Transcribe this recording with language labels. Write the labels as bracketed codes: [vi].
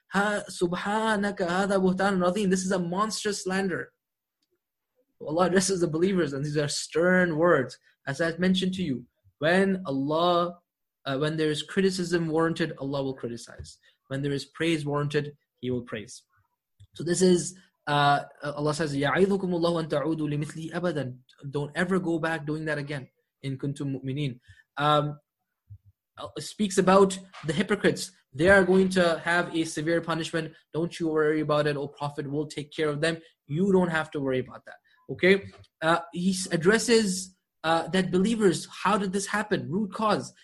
[ar] هَا سُبْحَانَكَ هَذَا بُهْتَانٌ عَظِيمٌ. [en] This is a monstrous slander. Allah addresses the believers, and these are stern words. As I mentioned to you, when Allah, when there is criticism warranted, Allah will criticize. When there is praise warranted, He will praise. So this is, Allah says, [ar] يَعِذُكُمُ اللَّهُ أَن تَعُودُوا لِمِثْلِي أَبَدًا. [en] Don't ever go back doing that again. [ar] In kuntum mu'mineen. [en] Speaks about the hypocrites. They are going to have a severe punishment. Don't you worry about it, O Prophet. We'll take care of them. You don't have to worry about that. Okay? He addresses that believers, how did this happen? Root cause.